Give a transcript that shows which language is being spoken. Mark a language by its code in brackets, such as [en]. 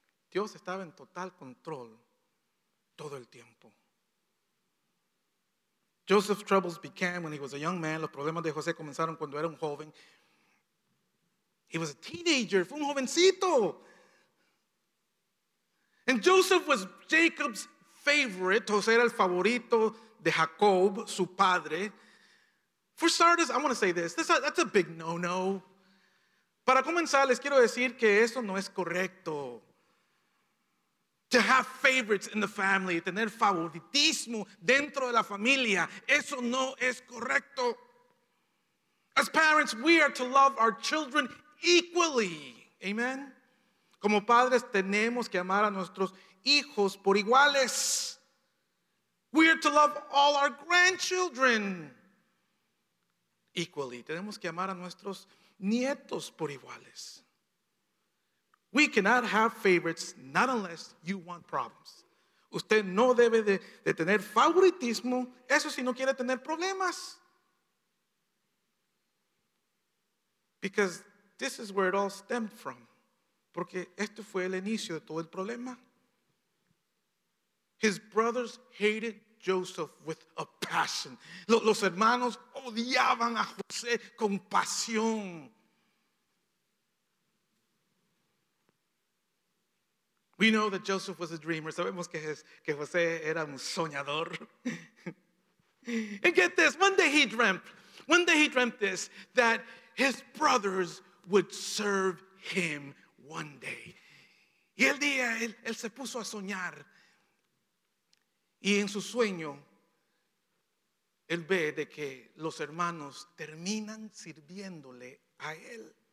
[es] Dios estaba en total control todo el tiempo. [en] Joseph's troubles began when he was a young man. [es] Los problemas de José comenzaron cuando era un joven. [en] He was a teenager, [es] fue un jovencito. [en] And Joseph was Jacob's favorite. [es] José era el favorito de Jacob, su padre. [en] For starters, I want to say this. That's a big no-no. [es] Para comenzar, les quiero decir que eso no es correcto. [en] To have favorites in the family, [es] tener favoritismo dentro de la familia, eso no es correcto. [en] As parents, we are to love our children equally. Amen. [es] Como padres, tenemos que amar a nuestros hijos por iguales. [en] We are to love all our grandchildren equally. [es] Tenemos que amar a nuestros nietos por iguales. [en] We cannot have favorites, not unless you want problems. [es] Usted no debe de tener favoritismo, eso si no quiere tener problemas. [en] Because this is where it all stemmed from. [es] Porque esto fue el inicio de todo el problema. [en] His brothers hated Joseph with a passion. [es] Los hermanos odiaban a José con pasión. [en] We know that Joseph was a dreamer. [es] Sabemos que José era un soñador. [en] And get this, one day he dreamt this, that his brothers would serve him one day. [es] Y el día él se puso a soñar. Y en su sueño, él ve de que los hermanos terminan sirviéndole a él.